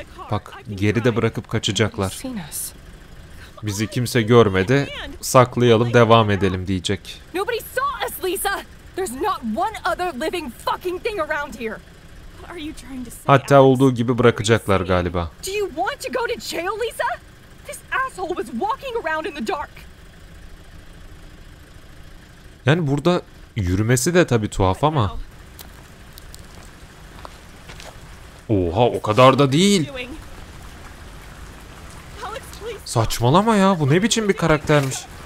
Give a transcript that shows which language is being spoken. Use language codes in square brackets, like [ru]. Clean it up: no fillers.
[tr] Bak, geride bırakıp kaçacaklar. Bizi kimse görmedi. Saklayalım, devam edelim diyecek. [en] Nobody saw us, Lisa. There's not one other living fucking thing around here. What are you trying to say? [tr] Hatta olduğu gibi bırakacaklar galiba. [en] Do you want to go to jail, Lisa? This asshole was walking around in the dark. [tr] Yani burada yürümesi de tabii tuhaf ama. Oha, o kadar da değil. Saçmalama ya, bu ne biçim bir karaktermiş.